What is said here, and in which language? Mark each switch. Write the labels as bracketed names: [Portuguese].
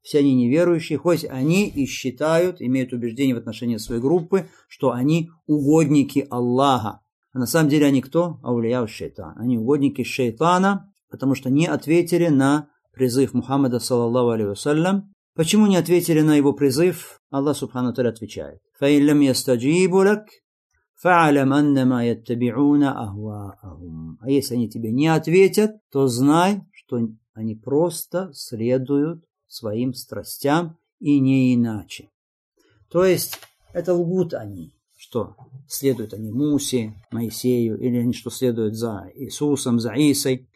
[Russian] Все они неверующие, хоть они и считают, имеют убеждение в отношении своей группы, что они угодники Аллаха. А на самом деле они кто? Аулия шайтан. Они угодники шайтана, потому что не ответили на призыв Мухаммада, саллаллаху алейхи вассалям. Почему не ответили на его призыв? Аллах, субхану тааля, отвечает. [Arabic] Фаиллям ястаджибу лак فعلم أنما يتبعون أهواءهم. [Russian] أي если они тебе не ответят, то знай, что они просто следуют своим страстям и не иначе. То есть это лгут они, что следуют они Мусе, Моисею, или они что следуют за Иисусом, за Исой.